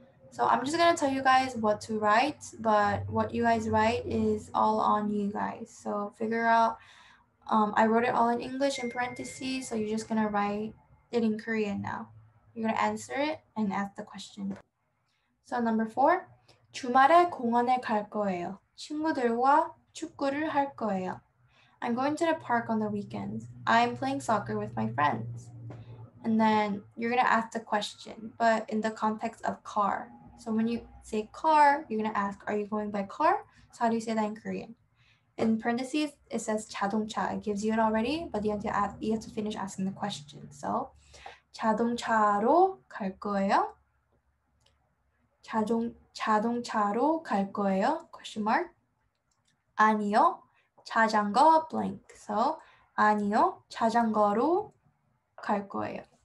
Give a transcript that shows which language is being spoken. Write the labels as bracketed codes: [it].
[en] So I'm just going to tell you guys what to write, but what you guys write is all on you guys. So figure out, I wrote it all in English in parentheses, so you're just going to write it in Korean now. You're going to answer it and ask the question. So number four, [ko] 주말에 공원에 갈 거예요. 친구들과 축구를 할 거예요. [en] I'm going to the park on the weekends. I'm playing soccer with my friends. And then you're going to ask the question, but in the context of car. So when you say car, you're going to ask, are you going by car? So how do you say that in Korean? In parentheses, it says 자동차. It gives you it already, but you have to finish asking the question. [ko] So 자동차로 갈 거예요? 자동차로 갈 거예요? [en] Question mark. [ko] 아니요, 자전거 blank. So 아니요, 자전거로 갈 거예요.